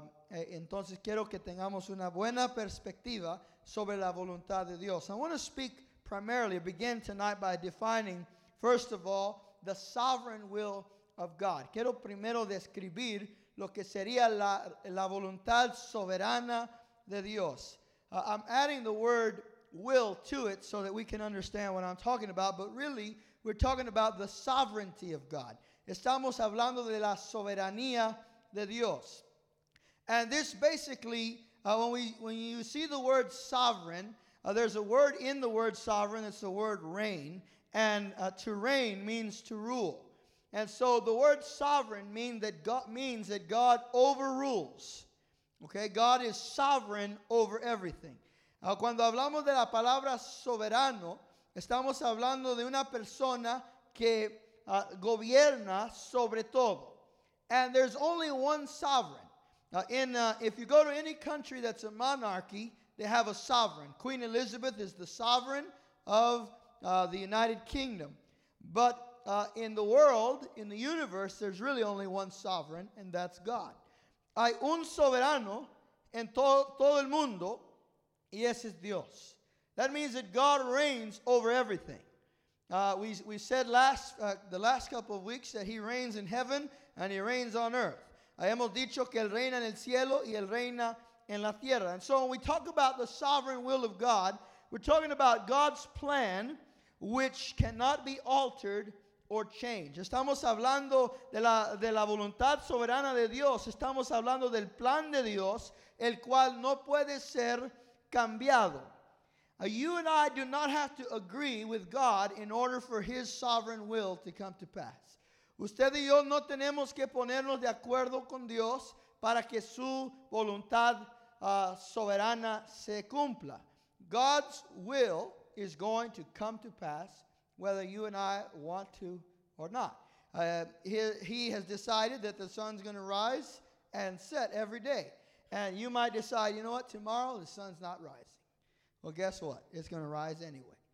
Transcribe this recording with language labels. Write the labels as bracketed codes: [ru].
[en] Entonces quiero que tengamos una buena perspectiva sobre la voluntad de Dios. I want to speak primarily, begin tonight by defining, first of all, the sovereign will of God. [es] Quiero primero describir lo que sería la voluntad soberana de Dios. [en] I'm adding the word will to it so that we can understand what I'm talking about, but really we're talking about the sovereignty of God. [es] Estamos hablando de la soberanía de Dios. [en] And this basically, when you see the word sovereign, there's a word in the word sovereign, it's the word reign. And to reign means to rule. And so the word sovereign means that God overrules. Okay, God is sovereign over everything. [es] Cuando hablamos de la palabra soberano, estamos hablando de una persona que gobierna sobre todo. [en] And there's only one sovereign. If you go to any country that's a monarchy, they have a sovereign. Queen Elizabeth is the sovereign of the United Kingdom. But in the world, in the universe, there's really only one sovereign, and that's God. [es] Hay un soberano en todo el mundo, y ese es Dios. [en] That means that God reigns over everything. We said the last couple of weeks that he reigns in heaven and he reigns on earth. [es] Hemos dicho que él reina en el cielo y él reina en la tierra. [en] And so when we talk about the sovereign will of God, we're talking about God's plan, which cannot be altered or changed. [es] Estamos hablando de la voluntad soberana de Dios. Estamos hablando del plan de Dios, el cual no puede ser cambiado. [en] You and I do not have to agree with God in order for his sovereign will to come to pass. [es] Usted y yo no tenemos que ponernos de acuerdo con Dios para que su voluntad soberana se cumpla. [en] God's will is going to come to pass whether you and I want to or not. He has decided that the sun's going to rise and set every day. And you might decide, you know what, tomorrow the sun's not rising. Well, guess what? It's going to rise anyway.